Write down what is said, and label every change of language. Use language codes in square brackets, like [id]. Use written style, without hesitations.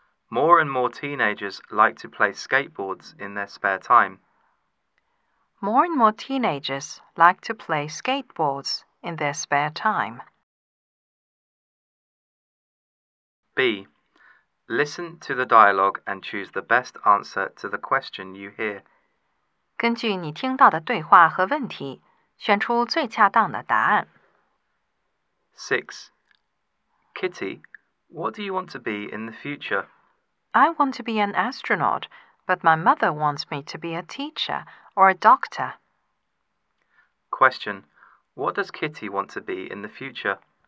[en] More and more teenagers like to play skateboards in their spare time. More and more teenagers like to play skateboards in their spare time. B. Listen to the dialogue and choose the best answer to the question you hear. [zh] 根据你听到的对话和问题，选出最恰当的答案。 [en] 6. Kitty, what do you want to be in the future? I want to be an astronaut, but my mother wants me to be a teacher or a doctor. Question. What does Kitty want to be in the future?